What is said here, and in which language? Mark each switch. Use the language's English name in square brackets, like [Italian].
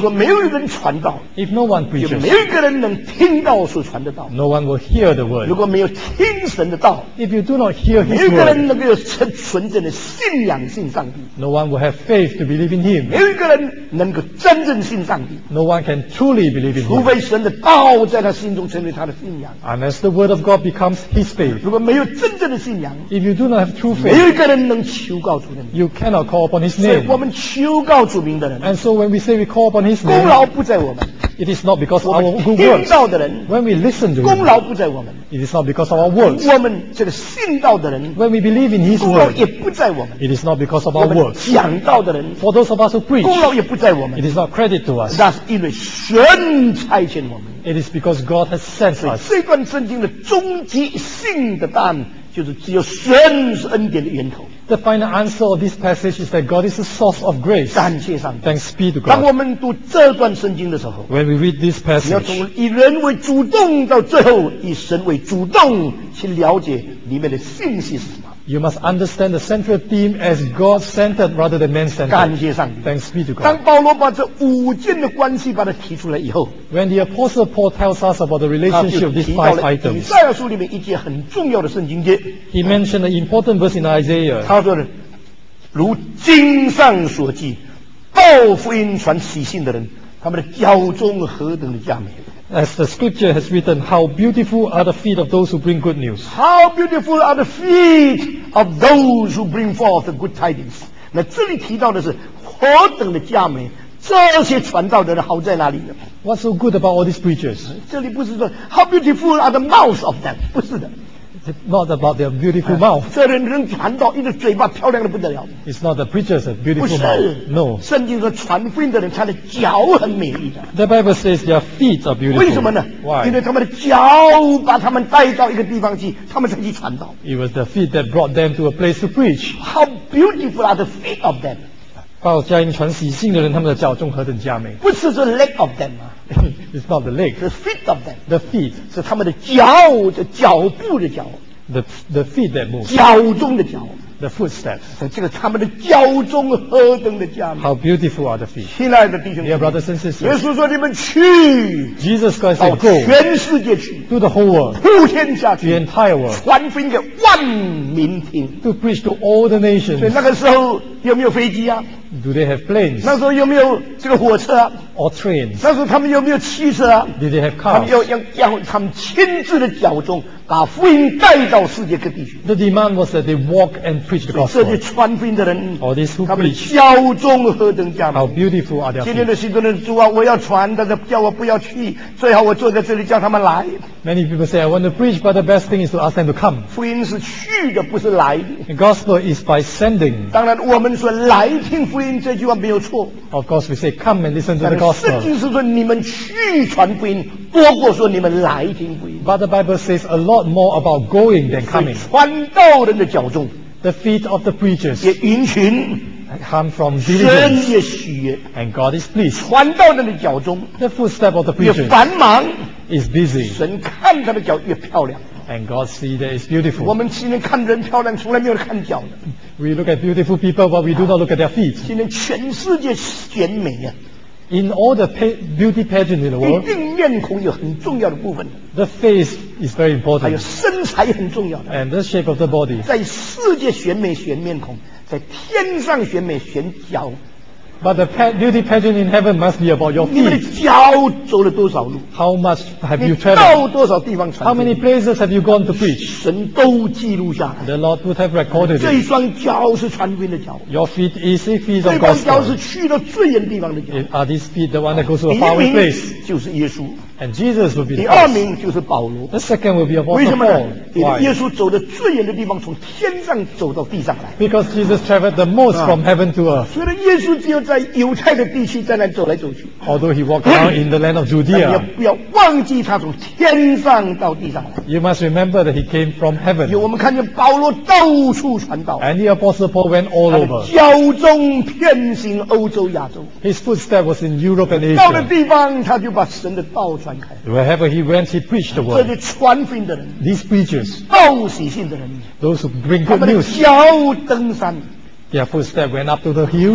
[Chinese] 如果没有人传道， [English] If no one preaches, [Chinese] 也没有一个人能听到所传的道。 [English] No one will hear the word. [Chinese] 如果没有听神的道， [English] If you do not hear his word, [Chinese] 没有一个人能够有纯正的信仰信上帝。 [English] No one will have faith to believe in him. [Chinese] 没有一个人能够真正信上帝。 [English] No one can truly believe in him. [Chinese] 除非神的道在他心中成为他的信仰。 [English] Unless the word of God becomes his faith. [Chinese] 如果没有真正的信仰， [English] If you do not have true faith, [Chinese] 没有一个人能求告主的名。 [English] You cannot call upon his name. [Chinese] 所以我们求告主名的人， [English] And so when we say we call upon his name, [Chinese] 功劳不在我们。 [English] It is not because of our good works. When we listen to [Chinese] him, 功劳不在我们。 [English] It is not because of our works. [Chinese] 我们这个信道的人， [English] When we believe in his word, [Chinese] 功劳也不在我们。 [English] It is not because of our works. [Chinese] 讲道的人， [English] For those of us who preach, [Chinese] 功劳也不在我们。 [English] It is not credit to us. [Chinese] 那是因为神差遣我们。 [English] It is because God has sent us. [Chinese] 这段圣经的终极性的答案就是只有神是恩典的源头。 [English] The final answer of this passage is that God is the source of grace. [Chinese] 感谢上帝。 [English] Thanks be to God. [Chinese] 当我们读这段圣经的时候， [English] When we read this passage, [Chinese] 你要从以人为主动到最后以神为主动去了解里面的信息是什么。 [English] You must understand the central theme as God-centered rather than man-centered. [Chinese] 感谢上帝。 [English] Thanks be to God. [Chinese] 当保罗把这五件的关系把它提出来以后， [English] When the Apostle Paul tells us about the relationship of these five items, [Chinese] 他就提到了以赛亚书里面一节很重要的圣经节。 [English] He mentioned an important verse in Isaiah. [Chinese] 他说，如经上所记，报福音传喜信的人，他们的脚中何等的佳美。 [English] As the scripture has written, how beautiful are the feet of those who bring good news. How beautiful are the feet of those who bring forth the good tidings. [Chinese] 那这里提到的是何等的佳美，这些传道的人好在哪里呢？ [English] What's so good about all these preachers? [Chinese] 这里不是说 [English] how beautiful are the mouths of them, [Chinese] 不是的。 [English] It's not about their beautiful mouth. [Chinese] 这人能传道，一个嘴巴漂亮的不得了。 [English] It's not the preacher's beautiful mouth. [Chinese] 不是。 [English] No. [Chinese] 圣经说传福音的人，他的脚很美丽的。 [English] The Bible says their feet are beautiful. [Chinese] 为什么呢？ [English] Why? [Chinese] 因为他们的脚把他们带到一个地方去，他们才去传道。 [English] It was the feet that brought them to a place to preach. How beautiful are the feet of them? [Chinese] 报佳音传喜信的人，他们的脚中何等佳美。不是说 [English] leg of them [Chinese] 吗？ [English] It's not the leg. The feet of them. The feet. [Chinese] 是他们的脚，这脚步的脚。 [English] The feet that move. [Chinese] 脚中的脚。 [English] The footsteps. [Chinese] 是这个他们的脚中何等的佳美。 [English] How beautiful are the feet. [Chinese] 亲爱的弟兄姐妹。 [English] Dear brothers and sisters. [Chinese] 耶稣说你们去。 [English] Jesus Christ said go. [Chinese] 到全世界去。 [English] To the whole world. [Chinese] 普天下去。 [English] The entire world. [Chinese] 传福音给万民听。 [English] To preach to all the nations. [Chinese] 所以那个时候有没有飞机啊？ [English] Do they have planes? [Chinese] 那时候有没有这个火车啊？ [English] Or trains? [Chinese] 那时候他们有没有汽车啊？ [English] Do they have cars? [Chinese] 他们要他们亲自的脚中把福音带到世界各地去。 [English] The demand was that they walk and preach the gospel. [Chinese] 所以这些传福音的人， [English] Or these who preach, [Chinese] 他们脚中何等佳美。 [English] How beautiful are their feet? [Chinese] 今天的许多人主啊，我要传，但是叫我不要去，最好我坐在这里叫他们来。 [English] Many people say I want to preach, but the best thing is to ask them to come. [Chinese] 福音是去的，不是来的。 [English] The gospel is by sending. [Chinese] 当然，我们说来听福音。福音这句话没有错。 [English] Of course, we say, come and listen to the gospel. [Chinese] 圣经是说你们去传福音，多过说你们来听福音。 [English] But the Bible says a lot more about going than coming. [Chinese] 传道人的脚重。 [English] The feet of the preachers. [Chinese] 也殷勤。 [English] Come from diligence. [Chinese] 神也喜悦。 [English] And God is pleased. [Chinese] 传道人的脚重。 [English] The footstep of the preachers. [Chinese] 也繁忙。 [English] Is busy. [Chinese] 神看他的脚越漂亮。 [English] And God see that it's beautiful. [Chinese] 我们今天看人漂亮，从来没有看脚的。 [English] We look at beautiful people, but we do not look at their feet. [Chinese] 今天全世界选美啊。 [English] In all the beauty pageant in the world, [Chinese] 一定面孔有很重要的部分。 [English] The face is very important. [Chinese] 还有身材很重要的。 [English] And the shape of the body. [Chinese] 在世界选美选面孔，在天上选美选脚。 [English] But the beauty pageant in heaven must be about your feet. [Chinese] 你们的脚走了多少路？ [English] How much have you traveled? [Chinese] 你到多少地方传？ [English] How many places have you gone to preach? [Chinese] 神都记录下来。 [English] The Lord would have recorded it. [Chinese] 这一双脚是传福音的脚。 [English] Your feet is the feet of gospel. [Chinese] 这双脚是去到最远地方的脚。 [English] Are these feet the one that goes to a faraway place? [Chinese] 第一名就是耶稣。 [English] And Jesus will be the [Chinese] first. 第二名就是保罗。 [English] The second will be apostle Paul. [Chinese] 为什么？因为耶稣走的最远的地方，从天上走到地上来。 [English] Because Jesus traveled the most from heaven to earth. [Chinese] 所以耶稣只有在犹太的地区在那走来走去。 [English] Although he walked around in the land of Judea. [Chinese] 但你不要忘记他从天上到地上来。 [English] You must remember that he came from heaven. [Chinese] 我们看见保罗到处传道。 [English] And the apostle Paul went all over. [Chinese] 脚踪遍行欧洲亚洲。 [English] His footstep was in Europe and Asia. [Chinese] 到了地方，他就把神的道传。 [English] Wherever he went, he preached the word. [Chinese] 这些传福音的人， [English] these preachers, [Chinese] 报喜信的人， [English] those who bring good news, [Chinese] 他们的脚登山， [English] their footstep went up to the hills,